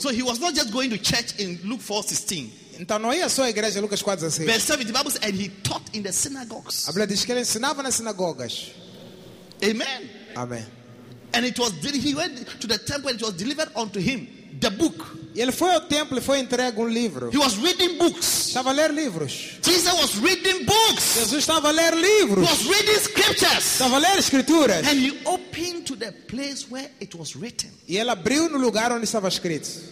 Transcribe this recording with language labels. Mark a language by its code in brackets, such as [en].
[en] So he was not just going to church in Luke 4:16. [pt] Então não ia só à igreja, Lucas 4:16. [en] Verse 7, the Bible says, and he taught in the synagogues. [pt] A Bíblia diz que ele ensinava nas sinagogas. [en] Amen. [pt] Amém. [en] And it was he went to the temple and it was delivered unto him the book. [pt] Ele foi ao templo e foi entregue livro. [en] He was reading books. [pt] Estava a ler livros. [en] Jesus was reading books. [pt] Jesus estava a ler livros. [en] He was reading scriptures. [pt] Estava a ler escrituras. [en] And he opened to the place where it was written. [pt] E ele abriu no lugar onde estava escrito.